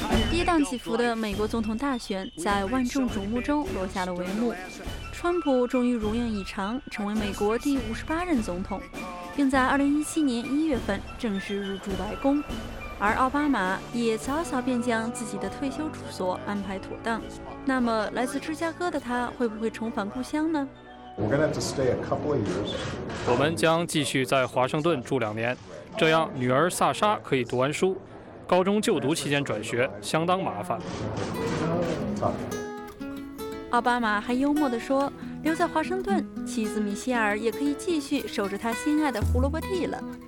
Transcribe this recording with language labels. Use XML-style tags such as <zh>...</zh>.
<zh>跌宕起伏的美国总统大选在万众瞩目中落下了帷幕，川普终于如愿以偿成为美国第58任总统，并在2017年1月正式入住白宫，而奥巴马也早早便将自己的退休住所安排妥当。那么来自芝加哥的他会不会重返故乡呢？</zh> <en>We're going to have to stay a couple of years.</en> <zh>我们将继续在华盛顿住2年，这样女儿萨莎可以读完书。高中就读期间转学相当麻烦。奥巴马还幽默地说，留在华盛顿，妻子米歇尔也可以继续守着她心爱的胡萝卜地了。</zh>